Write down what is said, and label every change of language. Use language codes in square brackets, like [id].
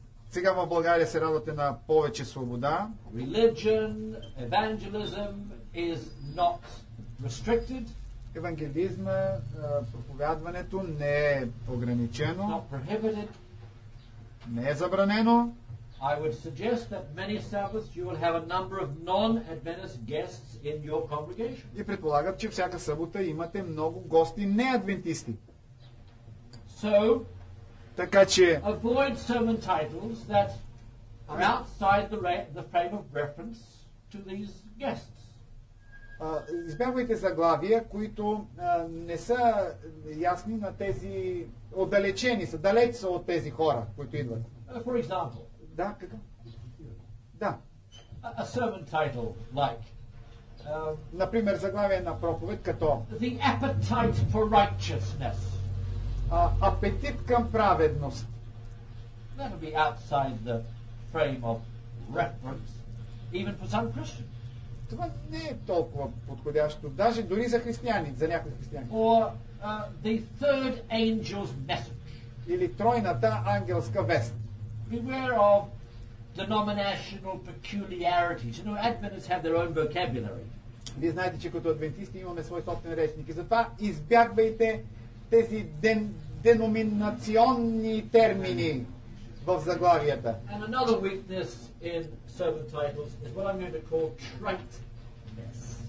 [bg] Сега в България се радвате на повече свобода. [en] Religion, evangelism is not restricted. [bg] Евангелизма, проповядването не е ограничено. [en] Not prohibited. [bg] Не е забранено. [en] I would suggest that many Sabbaths you will have a number of non-Adventist guests in your congregation. [bg] И предполагам, че всяка събота имате много гости неадвентисти. [en] So, [bg] така че [en] avoid sermon titles that are outside the frame of reference to these guests. [bg] Избягвайте заглавия, които не са ясни на тези отдалечени, са далеч са от тези хора, които идват. [en] For example. [bg] Да, какво? Да. [en] A sermon title like [bg] например заглавие на проповед като [en] The Appetite for Righteousness. [bg] Апетит към праведност. [en] That would be outside the frame of reference, even for some Christians. [bg] Това не е толкова подходящо, даже дори за християни, за някои християни. [en] Or the third angel's message. [bg] Или тройната ангелска вест. [en] Beware of denominational peculiarities. You know, Adventists have their own vocabulary. [bg] Вие знаете, че като адвентисти имаме свой собствен речник. И затова избягвайте тези деноминационни термини в заглавията. [en] And another weakness in sermon titles is what I'm going to call triteness.